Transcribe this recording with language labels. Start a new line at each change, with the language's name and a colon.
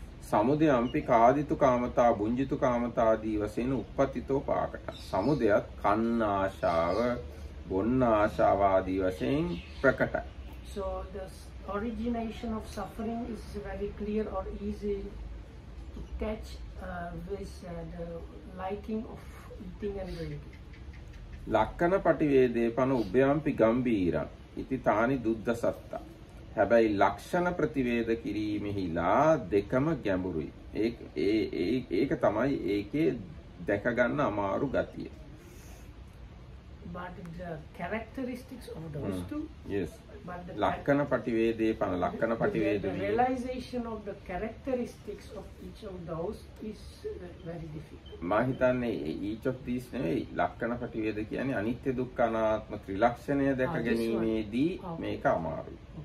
Pali: සමුදයම්පි කාදිතු කාමතා බුංජිතු කාමතාදී වශයෙන් උප්පතිතෝ පාකට.
Sinhala: සමුදයත් කන්න ආශාව බොන්න ආශාව ආදී වශයෙන් ප්‍රකට.
English: So the origination of suffering is very clear or easy to catch with the liking of eating and drinking.
Pali: ලක්කන පටිවේදේ පන උභ්‍යම්පි ගම්බීරං ඉති තානි දුද්ද සත්ත.
Sinhala: හැබැයි ලක්ෂණ ප්‍රතිවේද කිරීමෙහිලා දෙකම ගැඹුරුයි. ඒක තමයි ඒකේ දැක ගන්න අමාරු ගතිය.
English: But the characteristics of those two. Yes.
Sinhala: ලක්ෂණ ප්‍රතිවේදේ පන ලක්ෂණ ප්‍රතිවේද වීම.
English: Realization of the characteristics of each of those is very difficult.
Sinhala: මා හිතන්නේ
English: each of these
Sinhala: නෙවෙයි ලක්ෂණ ප්‍රතිවේද කියන්නේ අනිත්‍ය දුක්ඛ අනාත්ම ත්‍රිලක්ෂණය දැක ගැනීමේදී මේක අමාරුයි.